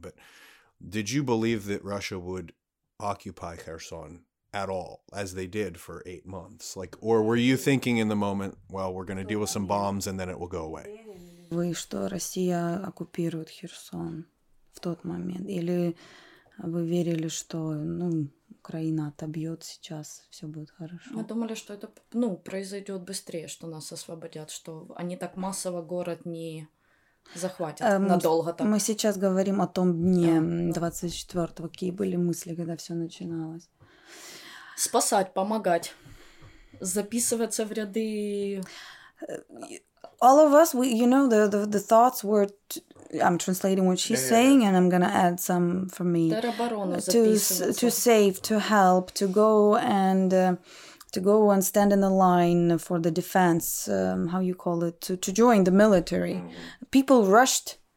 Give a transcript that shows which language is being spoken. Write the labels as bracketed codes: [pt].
[en] But did you believe that Russia would occupy Kherson? At all, as they did for 8 months. Like, or were you thinking in the moment, well, we're going to deal with some bombs and then it will go away? [ru] Вы что, Россия оккупирует Херсон в тот момент? Или вы верили, что, ну, Украина отобьет сейчас, все будет хорошо? Мы думали, что это, ну, произойдет быстрее, что нас освободят, что они так массово город не захватят надолго там. Мы сейчас говорим о том дне 24-го. Какие были мысли, когда все начиналось? Спасать, помогать, записываться в ряды. [en] All of us, we, you know, the thoughts were. I'm translating what she's saying, and I'm gonna add some from me. To save, to help, to go and stand in the line for the defense. How you call it? To join the military. Mm-hmm. People rushed.